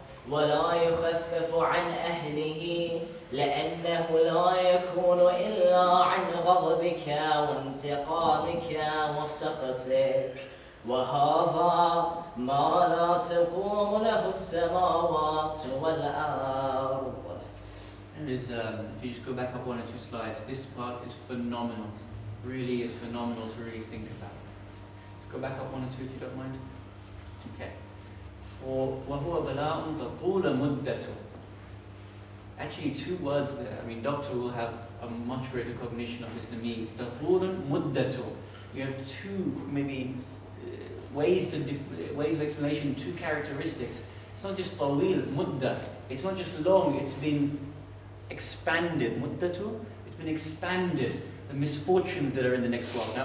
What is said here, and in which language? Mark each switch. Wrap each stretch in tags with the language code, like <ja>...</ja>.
<ar>ولا يخفف عن أهله لأنه لا يكون إلا عن غضبك وانتقامك وسخطك وهذا ما لا تقوم له السماوات والأرض.</ar> <en>If you just go back up one or two slides, this part is phenomenal. Really is phenomenal to really think about. Go back up one or two if you don't mind. Okay. For</en> <ar>وَهُوَ بَلَاءٌ تَطُولَ مُدَّةٌ.</ar> <en>Actually, two words there. I mean, doctor will have a much greater cognition of this than me.</en> <ar>تَطُولَ مُدَّةٌ.</ar> <en>You have two, maybe, ways of explanation, two characteristics. It's not just طويل, مُدَّة. It's not just long, it's been expanded, muddatu, it's been expanded, the misfortunes that are in the next world.</en>